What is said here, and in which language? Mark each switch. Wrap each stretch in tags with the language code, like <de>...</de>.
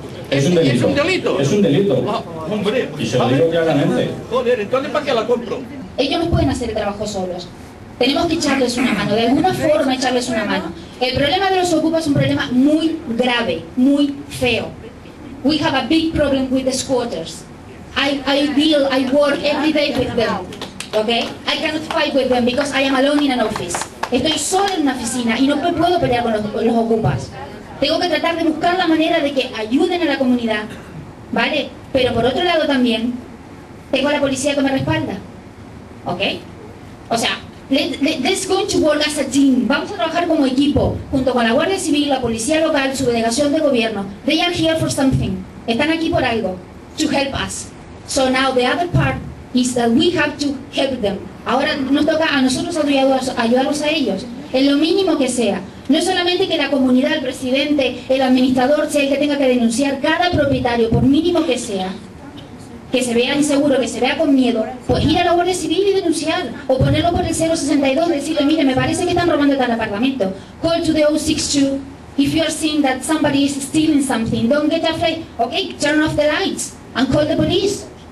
<es>es un delito? Es un delito. Ah, hombre, y se lo digo claramente. Joder, ¿entonces para qué la compro? Ellos no pueden hacer el trabajo solos. Tenemos que echarles una mano, de alguna forma echarles una mano. El problema de los ocupas es un problema muy grave, muy feo.</es> <en>We have a big problem with the squatters. I work every day with them, okay? I cannot fight with them because I am alone in an office.</en> <es>Estoy sola en una oficina y no puedo pelear con los ocupas. Tengo que tratar de buscar la manera de que ayuden a la comunidad, ¿vale? Pero por otro lado también, tengo a la policía que me respalda, okay? O sea,</es> <en>let's go to work as a team.</en> <es>Vamos a trabajar como equipo, junto con la Guardia Civil, la Policía Local, su delegación de gobierno.</es> <en>They are here for something.</en> <es>Están aquí por algo.</es> <en>To help us. So now the other part is that we have to help them.</en> <es>Ahora nos toca a nosotros ayudarlos a ellos. En lo mínimo que sea. No solamente que la comunidad, el presidente, el administrador, sea el que tenga que denunciar cada propietario, por mínimo que sea. Que se vea inseguro, que se vea con miedo, pues ir a la Guardia Civil y denunciar. O ponerlo por el 062 y decirle, mire, me parece que están robando tal apartamento.</es> <en>Call to the 062. If you are seeing that somebody is stealing something, don't get afraid. Okay, turn off the lights and call the police.</en>